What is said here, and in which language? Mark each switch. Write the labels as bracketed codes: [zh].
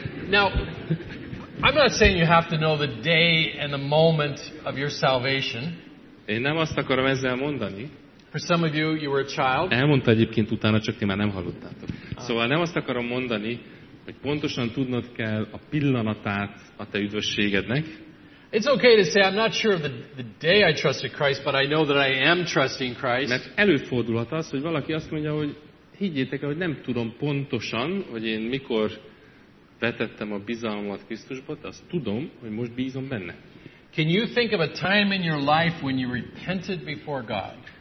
[en] Now, I'm not saying you have to know the day and the moment of your salvation. [hu] Én nem azt akarom ezzel mondani. [en] For some of you were a child. [hu] Elmondta egyébként utána, csak ti már nem hallottátok. Szóval nem azt akarom mondani, hogy pontosan tudnod kell a pillanatát a te üdvösségednek. [en] It's okay to say I'm not sure of the day I trusted Christ, but I know that I am trusting Christ. [hu] Mert előfordulhat az, hogy valaki azt mondja, hogy higgyétek el, hogy nem tudom pontosan, hogy én mikor vetettem a bizalmat Krisztusba, de azt tudom, hogy most bízom benne. [en] Can you think of a time in your life when you repented before God?